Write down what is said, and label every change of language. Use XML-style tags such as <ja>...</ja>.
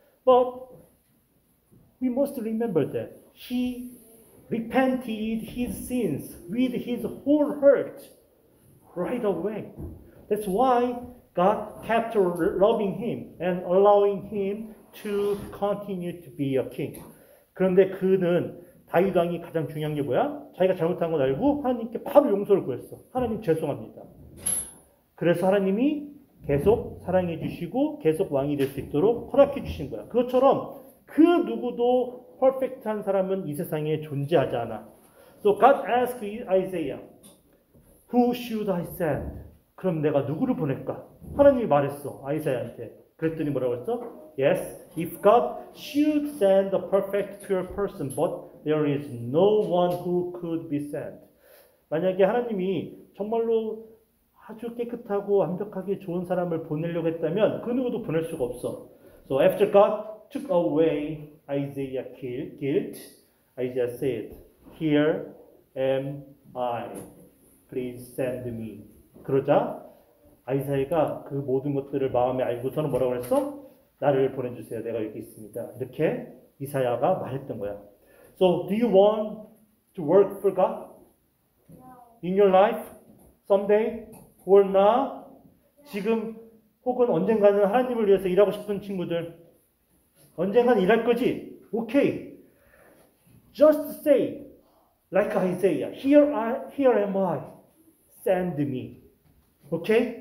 <en>But we must remember that he repented his sins with his whole heart. Right away. That's why God kept loving him and allowing him to continue to be a king.</en> <ko>그런데 그는 다윗 왕이 가장 중요한 게 뭐야? 자기가 잘못한 걸 알고 하나님께 바로 용서를 구했어. 하나님 죄송합니다. 그래서 하나님이 계속 사랑해 주시고 계속 왕이 될 수 있도록 허락해 주신 거야. 그것처럼 그 누구도 퍼펙트한 사람은 이 세상에 존재하지 않아.</ko> <en>So God asked Isaiah, Who should I send?</en> <ko>그럼 내가 누구를 보낼까? 하나님이 말했어, 아이사야한테. 그랬더니 뭐라고 했어?</ko> <en>Yes, if God should send a perfect pure person, but there is no one who could be sent.</en> <ko>만약에 하나님이 정말로 아주 깨끗하고 완벽하게 좋은 사람을 보내려고 했다면 그 누구도 보낼 수가 없어.</ko> <en>So after God took away Isaiah's guilt, Isaiah said, Here am I. Please send me.</en> <ko>그러자 아이사야가 그 모든 것들을 마음에 알고서는 뭐라고 했어? 나를 보내주세요. 내가 여기 있습니다. 이렇게 이사야가 말했던 거야.</ko> <en>So, do you want to work for God? No. In your life? Someday? Or not? No.</en> <ko>지금 혹은 언젠가는 하나님을 위해서 일하고 싶은 친구들? 언젠간 일할 거지?</ko> <en>Okay. Just say, Like Isaiah, here am I, send me. Okay?</en>